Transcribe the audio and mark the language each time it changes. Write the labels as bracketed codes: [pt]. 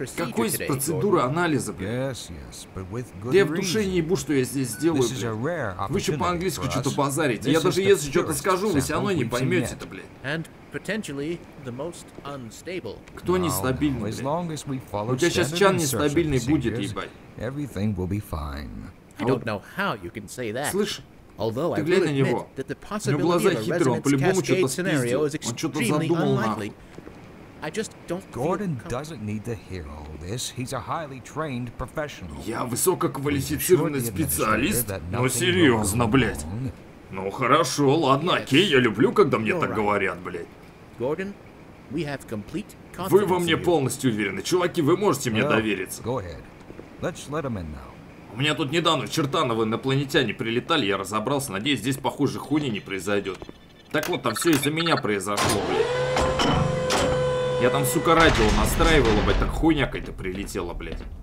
[ru] Какой из процедуры анализа, блядь? Да я в душе не ебу, что я здесь сделаю, блядь. Вы еще по-английски что-то базарите. Я даже если что-то скажу, вы все равно не поймете это, блядь. [en] Potentially the most unstable. [ru] Кто нестабильный, блядь? У тебя сейчас чан нестабильный будет, ебать. [en] Will be fine. I don't know how you can say that. [ru] Слышь, ты глянь на него. У него глаза хитрые, он по-любому что-то спиздил. Он что-то задумал, нахуй. [en] I just don't feel Gordon doesn't need to hear all this. He's a highly trained professional. [ru] Я высококвалифицированный специалист? Ну серьезно, блядь. Ну хорошо, ладно, окей, я люблю, когда мне так говорят, блядь. [en] Gordon, we have complete confidence. [ru] Вы во мне полностью уверены. Чуваки, вы можете мне довериться. [en] Go ahead. Let's let him in now. [ru] У меня тут недавно чертановы инопланетяне прилетали, я разобрался. Надеюсь, здесь похуже хуйни не произойдет. Так вот, там все из-за меня произошло, блядь. Я там, сука, радио настраивал, блядь, так хуйня какая-то прилетела, блядь.